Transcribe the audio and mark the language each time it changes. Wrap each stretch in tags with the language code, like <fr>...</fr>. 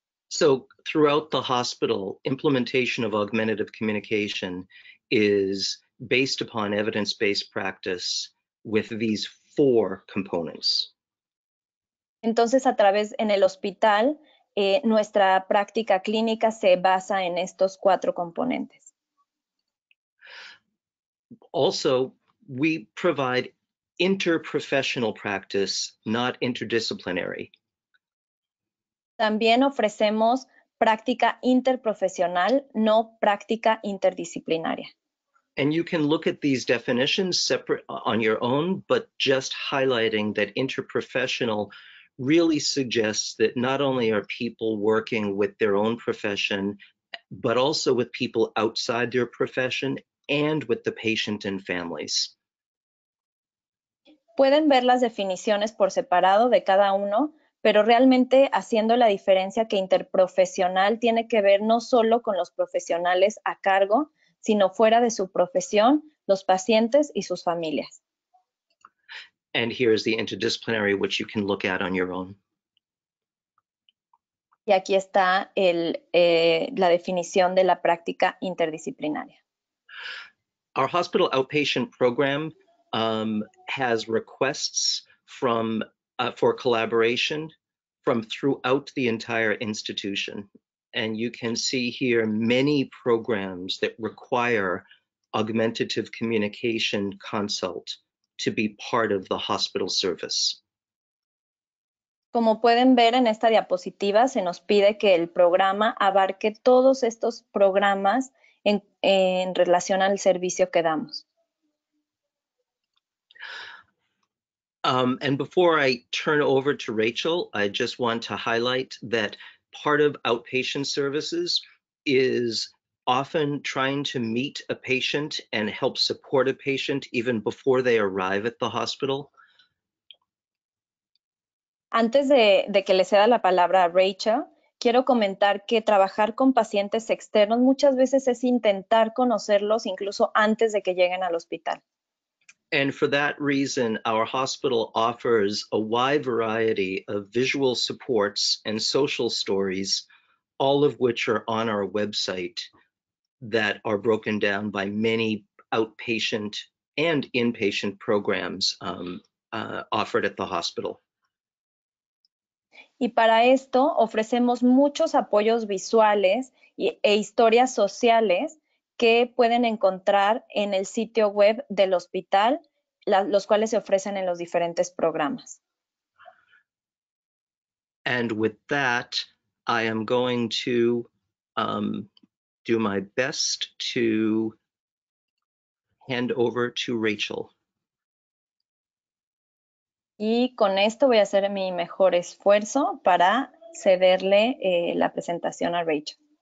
<en>So throughout the hospital, implementation of augmentative communication is based upon evidence-based practice with these four components.</en> <es>Entonces, a través en el hospital, nuestra práctica clínica se basa en estos cuatro componentes.</es> <en>Also, we provide interprofessional practice, not interdisciplinary.</en> <es>También ofrecemos práctica interprofesional, no práctica interdisciplinaria.</es> <en>And you can look at these definitions separate on your own, but just highlighting that interprofessional really suggests that not only are people working with their own profession, but also with people outside their profession and with the patient and families.</en> <es>Pueden ver las definiciones por separado de cada uno, pero realmente haciendo la diferencia que interprofesional tiene que ver no solo con los profesionales a cargo, sino fuera de su profesión, los pacientes y sus familias.</es> <en>And here is the interdisciplinary, which you can look at on your own.</en> <es>Y aquí está la definición de la práctica interdisciplinaria.</es> <en>Our hospital outpatient program has requests for collaboration from throughout the entire institution. And you can see here many programs that require augmentative communication consult to be part of the hospital service.</en> <es>Como pueden ver en esta diapositiva, se nos pide que el programa abarque todos estos programas en relación al servicio que damos.</es> <en>And before I turn over to Rachel, I just want to highlight that part of outpatient services is often trying to meet a patient and help support a patient even before they arrive at the hospital.</en> <es>Antes de que le ceda la palabra a Rachel, quiero comentar que trabajar con pacientes externos muchas veces es intentar conocerlos incluso antes de que lleguen al hospital.</es> <en>And for that reason, our hospital offers a wide variety of visual supports and social stories, all of which are on our website that are broken down by many outpatient and inpatient programs offered at the hospital.</en> <es>Y para esto ofrecemos muchos apoyos visuales e historias sociales que pueden encontrar en el sitio web del hospital, los cuales se ofrecen en los diferentes programas.</es> <en>And with that, I am going to do my best to hand over to Rachel.</en> <es>Y con esto voy a hacer mi mejor esfuerzo para cederle la presentación a Rachel.</es>